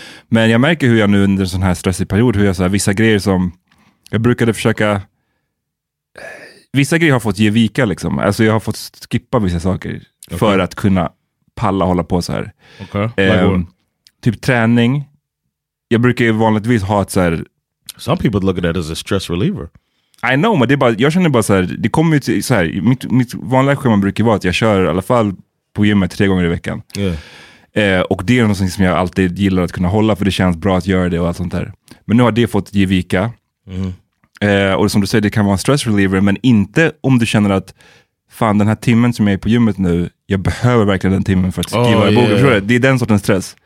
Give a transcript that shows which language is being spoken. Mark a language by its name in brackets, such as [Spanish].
[Swedish] Men jag märker hur jag nu under en sån här stressig period, hur jag så här, vissa grejer som jag brukade försöka... Vissa grejer har fått ge vika, liksom. Alltså jag har fått skippa vissa saker. [English] Okay. [Swedish] För att kunna palla hålla på så här. [English] Okay. [Swedish] Typ träning. Jag brukar ju vanligtvis ha ett så här... [English] Some people look at that as a stress reliever. I know, [Swedish] men det är bara, jag känner bara så här, det kommer ju till så här, mitt vanliga schema brukar vara att jag kör i alla fall på gymmet 3 gånger i veckan. [English] Yeah. [Swedish] Och det är något som jag alltid gillar att kunna hålla, för det känns bra att göra det och allt sånt där. Men nu har det fått ge vika. Och som du säger, det kan vara en stress reliever, men inte om du känner att fan, den här timmen som jag är på gymmet nu, jag behöver verkligen den timmen för att skriva en bok. [English] Yeah. [Swedish] Det är den sortens stress.